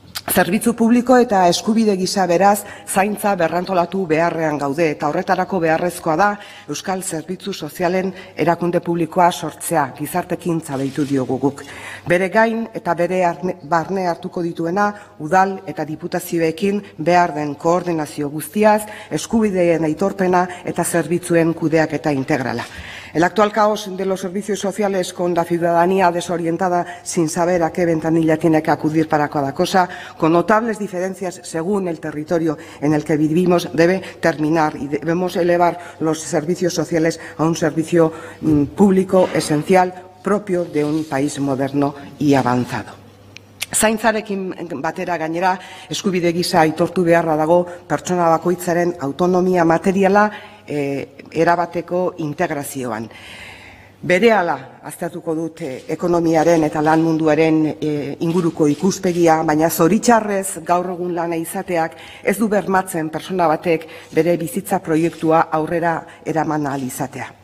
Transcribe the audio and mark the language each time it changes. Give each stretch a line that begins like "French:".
Basque: Zerbitzu publiko eta eskubide gisa beraz zaintza berrantolatu beharrean gaude eta horretarako beharrezkoa da Euskal Zerbitzu Sozialen erakunde publikoa sortzea, gizartekintza deitu diogu guk. Bere gain eta bere barne hartuko dituena udal eta diputazioekin behar den koordinazio guztiaz, eskubideen aitorpena eta zerbitzuen kudeaketa integrala.
Spanish: El actual caos de los servicios sociales con la ciudadanía desorientada sin saber a qué ventanilla tiene que acudir para cada cosa, con notables diferencias según el territorio en el que vivimos, debe terminar y debemos elevar los servicios sociales a un servicio público esencial propio de un país moderno y avanzado.
Basque: Zaintzarekin batera gainera eskubide gisa aitortu beharra dago pertsona bakoitzaren autonomia materiala erabateko integrazioan. Berehala aztertuko dut ekonomiaren eta lan munduaren inguruko ikuspegia, baina zoritxarrez gaur egun lana izateak ez du bermatzen pertsona batek bere bizitza proiektua aurrera eraman ahal izatea.